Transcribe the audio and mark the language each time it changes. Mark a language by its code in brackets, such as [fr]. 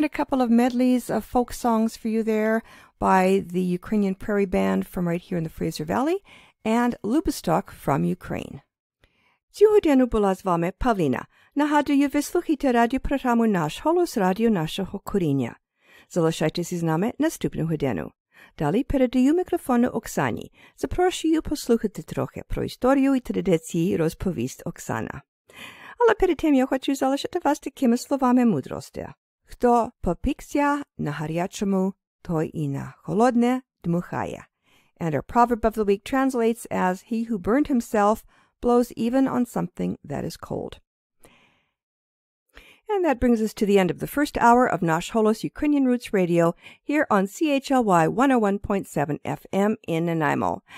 [en] Of medleys of folk songs for you there by the Ukrainian Prairie Band from right here in the Fraser Valley and Lubostok from Ukraine. [uk] Цього дня була з вами Павліна. Нагадую, ви слухаєте радіопрограму «Наш голос» радіо нашого коріння. Залишайтеся з нами наступного дня. Далі передаю мікрофон Оксані. Запрошую послухати трохи про історію і традиції розповість Оксана. Але перед тим я хочу залишити вас такими словами мудрості. Хто попікся на гарячому, той і на холодне дмухає. [en] And our proverb of the week translates as, he who burned himself blows even on something that is cold. And that brings us to the end of the first hour of Nash Holos Ukrainian Roots Radio here on CHLY 101.7 FM in Nanaimo.